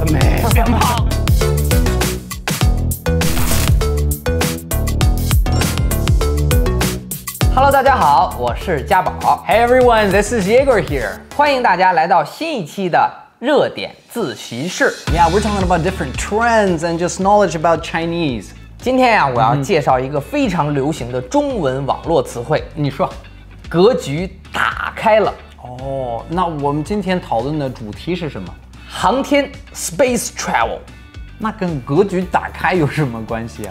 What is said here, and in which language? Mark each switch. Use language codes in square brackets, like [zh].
[zh] 没鞭炮。 Hello， 大家好，我是嘉宝。 [en] Hey everyone, this is Yegor here。 [zh] 欢迎大家来到新一期的热点自习室。 [en] Yeah, we're talking about different trends and just knowledge about Chinese。 [zh] 今天呀，我要介绍一个非常流行的中文网络词汇。你说，格局打开了。那我们今天讨论的主题是什么？航天 ， [en] space travel。 [zh] 那跟格局打开有什么关系啊？